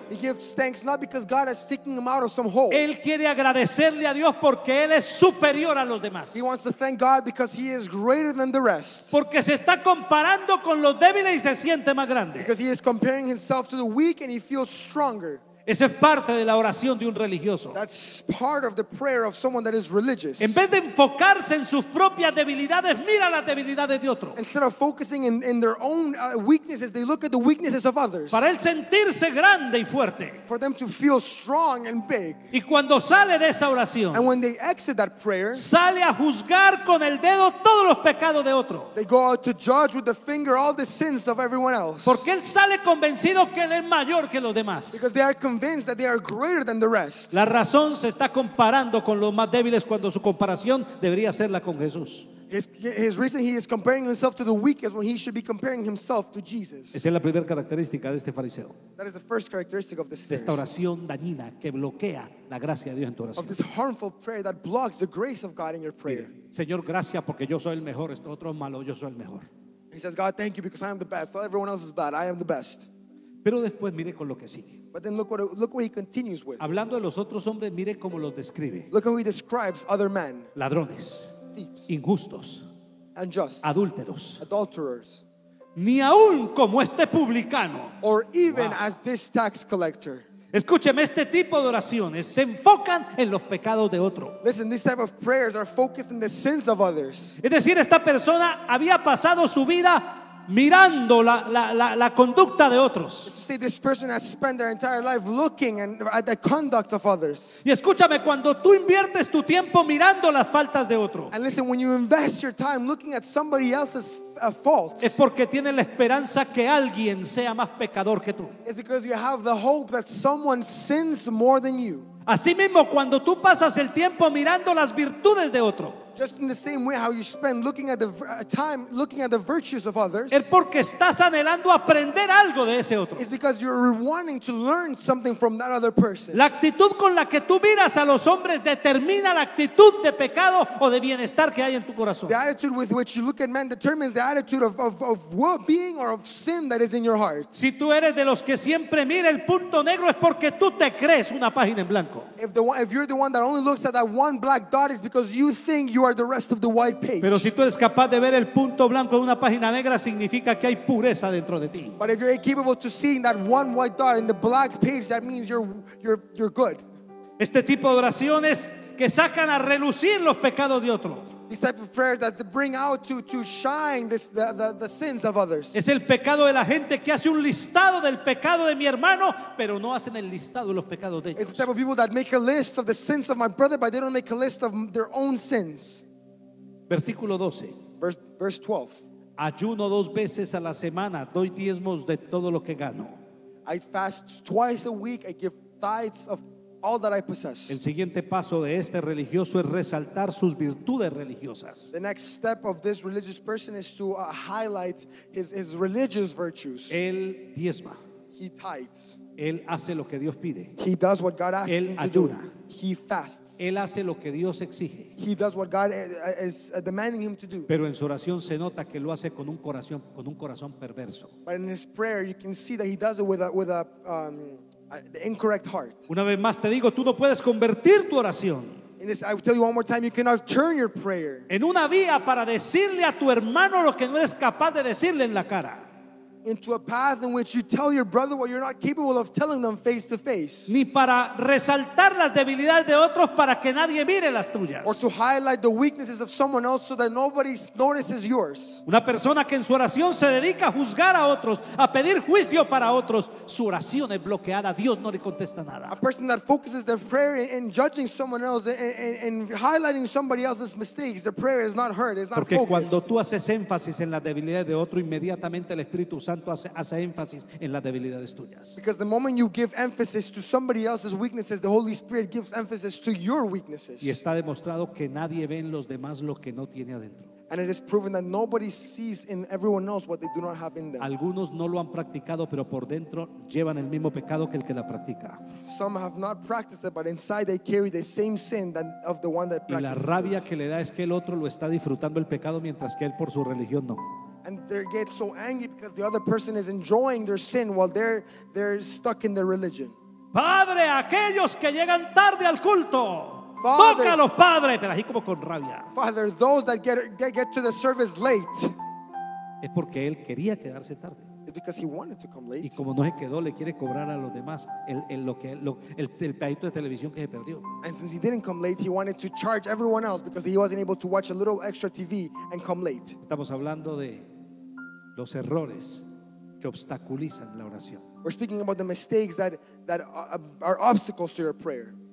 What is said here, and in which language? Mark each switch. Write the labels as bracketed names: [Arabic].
[English] He gives thanks not because God has taken him out of some hole. [Spanish] Él quiere agradecerle a Dios porque él es superior a los demás. [English] He wants to thank God because he is greater than the rest. [Spanish] Porque se está comparando con los débiles y se siente más grande. [English] Because he is comparing himself to the weak and he feels stronger. [Spanish] Esa es parte de la oración de un religioso. [English] That's part of the prayer of someone that is religious. [Spanish] En vez de enfocarse en sus propias debilidades, mira las debilidades de otro. [English] Instead of focusing in their own weaknesses, they look at the weaknesses of others. [Spanish] Para él sentirse grande y fuerte. [English] For them to feel strong and big. [Spanish] Y cuando sale de esa oración, [English] and when they exit that prayer, [Spanish] sale a juzgar con el dedo todos los pecados de otro. [English] They go out to judge with the finger all the sins of everyone else. [Spanish] Porque él sale convencido que él es mayor que los demás. [English] Because they are convinced that they are greater than the rest. [Spanish] La razón se está comparando con los más débiles cuando su comparación debería ser la con Jesús. [English] His reason, he is comparing himself to the weakest when he should be comparing himself to Jesus. [Spanish] Esa es la primera característica de este fariseo. [English] That is the first characteristic of this Pharisee. [Spanish] De esta oración dañina que bloquea la gracia de Dios en tu oración. [English] Of this harmful prayer that blocks the grace of God in your prayer. [Spanish] Mire, Señor, gracias porque yo soy el mejor. Esto otro malo, yo soy el mejor. [English] He says, God, thank you because I am the best. Everyone else is bad. I am the best. [Spanish] Pero después mire con lo que sigue. [English] But then look what he continues with. [Spanish] Hablando de los otros hombres, mire cómo los describe. [English] Look how he describes other men. [Spanish] Ladrones. Injustos, [English] unjust, [Spanish] adúlteros, [English] adulterers, [Spanish] ni aún como este publicano, [English] or even wow, as this tax collector. [Spanish] Escúcheme, este tipo de oraciones se enfocan en los pecados de otro. [English] Listen, these type of prayers are focused in the sins of others. [Spanish] Es decir, esta persona había pasado su vida mirando la conducta de otros. [English] See, this person has spent their entire life looking at the conduct of others. [Spanish] Y escúchame, cuando tú inviertes tu tiempo mirando las faltas de otro, [English] and listen, when you invest your time looking at somebody else's faults, [Spanish] es porque tienes la esperanza que alguien sea más pecador que tú. [English] It's because you have the hope that someone sins more than you. [Spanish] Así mismo, cuando tú pasas el tiempo mirando las virtudes de otro, [English] just in the same way how you spend looking at the time looking at the virtues of others, [Spanish] es porque estás anhelando aprender algo de ese otro. [English] It's because you're wanting to learn something from that other person. [Spanish] La actitud con la que tú miras a los hombres determina la actitud de pecado o de bienestar que hay en tu corazón. [English] The attitude with which you look at men determines the attitude of well-being or of sin that is in your heart. [Spanish] Si tú eres de los que siempre mira el punto negro, es porque tú te crees una página en blanco. [English] If you're the one that only looks at that one black dot, it's because you think you are the rest of the white page. [Spanish] Pero si tú eres capaz de ver el punto blanco en una página negra, significa que hay pureza dentro de ti. [English] But if you're capable to see that one white dot in the black page, that means you're good. [Spanish] Este tipo de oraciones que sacan a relucir los pecados de otro, [English] this type of prayer that bring out to shine this, the sins of others, [Spanish] es el pecado de la gente que hace un listado del pecado de mi hermano, pero no hacen el listado de los pecados de ellos. [English] It's the type of people that make a list of the sins of my brother, but they don't make a list of their own sins. [Spanish] Versículo 12. [English] Verse 12. [Spanish] Ayuno dos veces a la semana, doy diezmos de todo lo que gano. [English] I fast twice a week, I give tithes of all that I possess. [Spanish] El siguiente paso de este religioso es resaltar sus virtudes religiosas. [English] The next step of this religious person is to highlight his religious virtues. [Spanish] Él diezma. [English] He tithes. [Spanish] Él hace lo que Dios pide. [English] He does what God asks. [Spanish] Él ayuna. [English] He fasts. [Spanish] Él hace lo que Dios exige. [English] He does what God is demanding him to do. [Spanish] Pero en su oración se nota que lo hace con un corazón perverso. [English] But in his prayer you can see that he does it with a the incorrect heart. [Spanish] Una vez más te digo, tú no puedes convertir tu oración. [English] In this, I will tell you one more time, you cannot turn your prayer. [Spanish] En una vía para decirle a tu hermano lo que no eres capaz de decirle en la cara. [English] Into a path in which you tell your brother what you're not capable of telling them face to face. [Spanish] Ni para resaltar las debilidades de otros para que nadie mire las tuyas. [English] Or to highlight the weaknesses of someone else so that nobody notices yours. [Spanish] Una persona que en su oración se dedica a juzgar a otros, a pedir juicio para otros, su oración es bloqueada, Dios no le contesta nada. [English] A person that focuses their prayer in judging someone else and highlighting somebody else's mistakes, their prayer is not heard, it's not [Spanish] Porque [English] focused. [Spanish] Cuando tú haces énfasis en la debilidad de otro, inmediatamente el Espíritu Santo hace énfasis en las debilidades tuyas. [English] Because the moment you give emphasis to somebody else's weaknesses, the Holy Spirit gives emphasis to your weaknesses. [Spanish] Y está demostrado que nadie ve en los demás lo que no tiene adentro. [English] And it is proven that nobody sees in everyone else what they do not have in them. [Spanish] Algunos no lo han practicado, pero por dentro llevan el mismo pecado que el que la practica. [English] Some have not practiced it, but inside they carry the same sin than of the one that practices. [Spanish] Y la rabia que le da es que el otro lo está disfrutando el pecado mientras que él por su religión no. [English] And they get so angry because the other person is enjoying their sin while they're stuck in their religion. [Spanish] Padre, aquellos que llegan tarde al culto, tócalos, padre, pero así como con rabia. [English] Father, those that get to the service late. [Spanish] Es porque él quería quedarse tarde. [English] It's because he wanted to come late. [Spanish] Y como no se quedó, le quiere cobrar a los demás el pedacito de televisión que se perdió. [English] And since he didn't come late, he wanted to charge everyone else because he wasn't able to watch a little extra TV and come late. [Spanish] Estamos hablando de los errores que obstaculizan la oración. [English] We're speaking about the mistakes that are obstacles to your prayer.